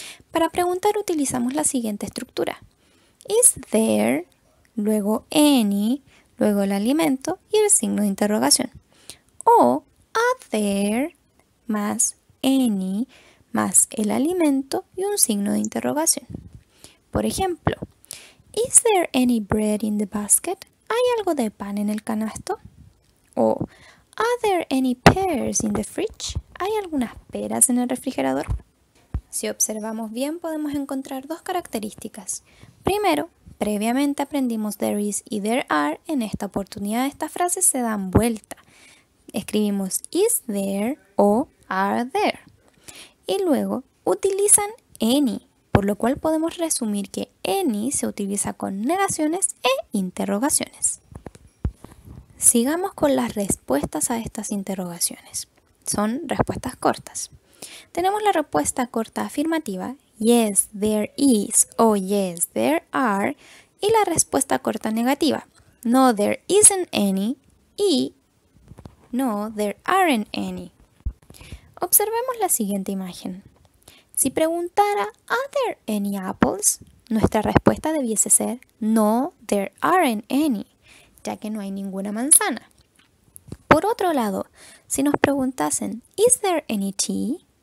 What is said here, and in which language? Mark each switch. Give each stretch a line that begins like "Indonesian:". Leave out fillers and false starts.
Spanish: Para preguntar utilizamos la siguiente estructura. Is there, luego any, luego el alimento y el signo de interrogación. O are there más any más el alimento y un signo de interrogación. Por ejemplo,
English: is there any bread in the basket?
Spanish: ¿Hay algo de pan en el canasto?
English: O are there any pears in the fridge?
Spanish: ¿Hay algunas peras en el refrigerador? Si observamos bien, podemos encontrar dos características. Primero, previamente aprendimos there is y there are. En esta oportunidad, estas frases se dan vuelta. Escribimos is there o are there. Y luego, utilizan any, por lo cual podemos resumir que any se utiliza con negaciones e interrogaciones. Sigamos con las respuestas a estas interrogaciones. Son respuestas cortas. Tenemos la respuesta corta afirmativa
English: Yes, there is, o yes, there are,
Spanish: y la respuesta corta negativa.
English: No, there isn't any, y no, there aren't any.
Spanish: Observemos la siguiente imagen. Si preguntara,
English: are there any apples?
Spanish: Nuestra respuesta debiese ser,
English: no, there aren't any,
Spanish: ya que no hay ninguna manzana. Por otro lado, si nos preguntasen,
English: is there any tea?